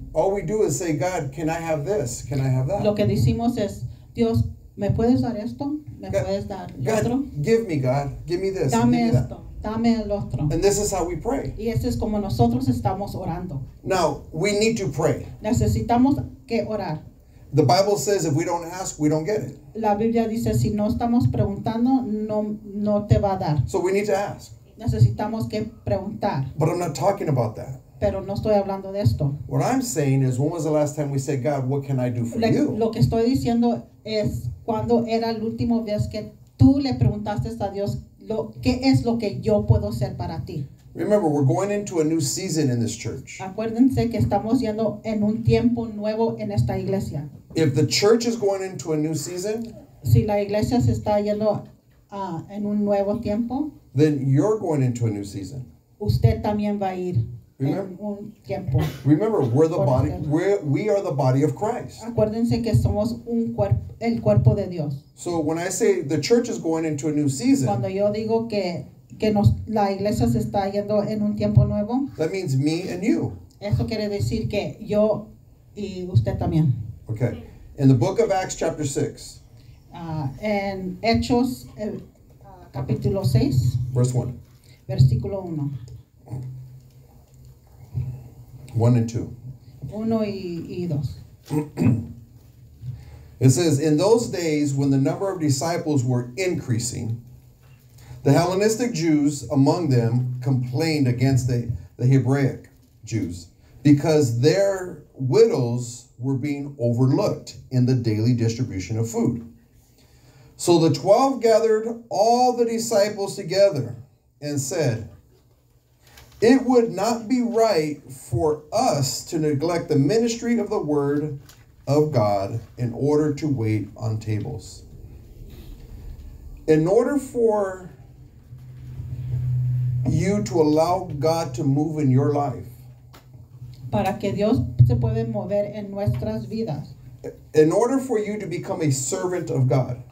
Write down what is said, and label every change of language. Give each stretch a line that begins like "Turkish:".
English: all we do is say, God, can I have this? Can I have that?
Spanish: Lo que decimos es, Dios, ¿me puedes dar esto? ¿Me puedes dar otro?
English: Give me, God. Give me this.
Spanish: Dame esto. Dame el otro.
English: And this is how we pray.
Spanish: Y esto es como nosotros estamos orando.
English: Now, we need to pray.
Spanish: Necesitamos que orar.
English: The Bible says if we don't ask, we don't get it.
Spanish: La Biblia dice si no estamos preguntando, no te va a dar.
English: So we need to ask.
Spanish: Necesitamos que preguntar.
English: But I'm not talking about that.
Spanish: Pero no estoy hablando de esto.
English: What I'm saying is, when was the last time we said, God, what can I do for you?
Spanish: Lo que estoy diciendo es cuando era la última vez que tú le preguntaste a Dios qué es lo que yo puedo ser para ti.
English: Remember, we're going into a new season in this church.
Spanish: Acuérdense que estamos yendo en un tiempo nuevo en esta iglesia.
English: If the church is going into a new season,
Spanish: si la iglesia se está yendo en un nuevo tiempo,
English: then you're going into a new season.
Spanish: Usted también va a ir en un tiempo.
English: Remember, we're the body. We are the body of Christ.
Spanish: Acuérdense que somos el cuerpo de Dios.
English: So when I say the church is going into a new season,
Spanish: cuando yo digo que la iglesia se está yendo en un tiempo nuevo.
English: That means me and you.
Spanish: Eso quiere decir que yo y usted también.
English: Okay. In the book of Acts chapter 6.
Spanish: En Hechos capítulo 6.
English: Verse 1.
Spanish: Versículo 1.
English: 1 and 2.
Spanish: 1 y 2.
English: It says, in those days when the number of disciples were increasing, the Hellenistic Jews among them complained against the Hebraic Jews because their widows were being overlooked in the daily distribution of food. So the 12 gathered all the disciples together and said, it would not be right for us to neglect the ministry of the word of God in order to wait on tables. In order for you to allow God to move in your life.
Spanish: Para que Dios se puede mover en nuestras vidas.
English: In order for you to become a servant of God.